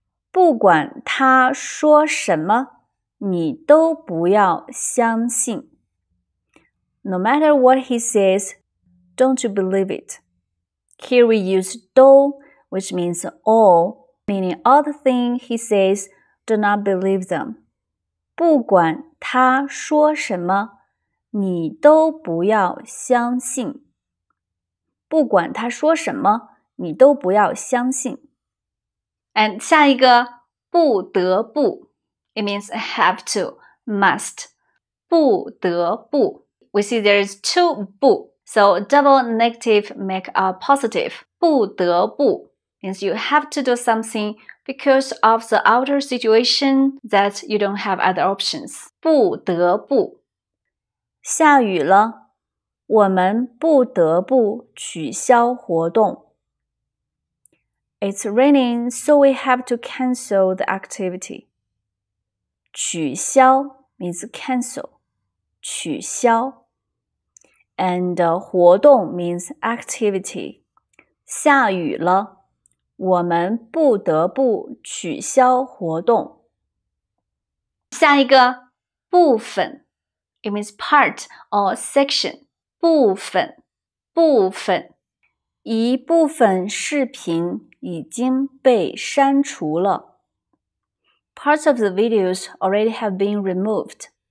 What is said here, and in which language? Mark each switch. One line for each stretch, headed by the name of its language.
Chinese: 不管他说什么你都不要相信。
English: No matter what he says, don't you believe it. Here we use 都, which means all, meaning all the things he says, do not believe them.
Chinese: 不管他说什么你都不要相信。不管他说什么你都不要相信。
English: And 下一个不得不。It means have to, must. 不得不。We see there is two 不, so double negative make a positive. 不得不 means you have to do something because of the outer situation that you don't have other options.
Chinese: 不得不。下雨了，我们不得不取消活动。
English: It's raining, so we have to cancel the activity. 取消 means cancel. 取消。 And 活动 means activity.
Chinese: 下雨了，我们不得不取消活动。下一个部分
English: ，it means part or section.
Chinese: 部分，部分。一部分视频已经被删除了。
English: Parts of the videos already have been removed.